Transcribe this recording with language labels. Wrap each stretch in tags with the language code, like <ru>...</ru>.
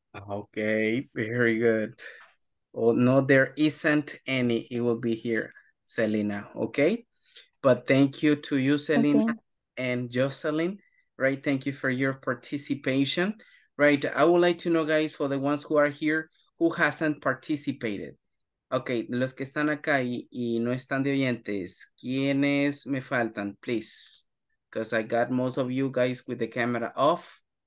<en>Okay, very good. Oh, no, there isn't any. It will be here, Selena, okay? But thank you to you, Selena, and Jocelyn, right? Thank you for your participation, right? I would like to know, guys, for the ones who are here, who hasn't participated.</en> <es>Okay, los que están acá y no están de oyentes, ¿quiénes me faltan, please?</es> <en>Because I got most of you guys with the camera off.</en>